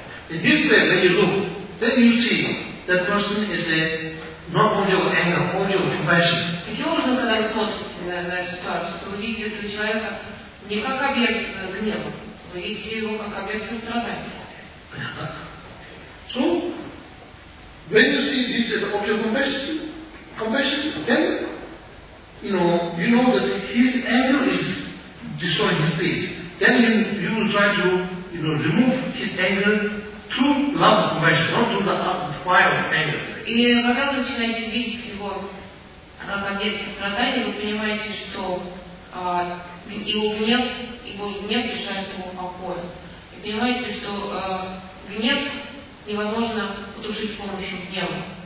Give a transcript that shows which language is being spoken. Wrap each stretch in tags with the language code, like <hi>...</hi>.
<en>This way, when you look, then you see that person is a not only of anger, only of compassion.</en> <ru>Таким образом, когда вы смотрите на эту ситуацию, то вы видите этого человека не как объект гнева, вы видите его как объект сострадания.</ru> <en>So, when you see this as object of compassion, then you know that his anger is destroying his peace. Then you will try to remove his anger. True love of compassion, not through the fire of anger.</en> <ru>И когда вы начинаете видеть его как объект страдания, вы понимаете, что его гнев, его гнев лишает ему покоя. И понимаете, что гнев невозможно утушить с помощью гнева.</ru>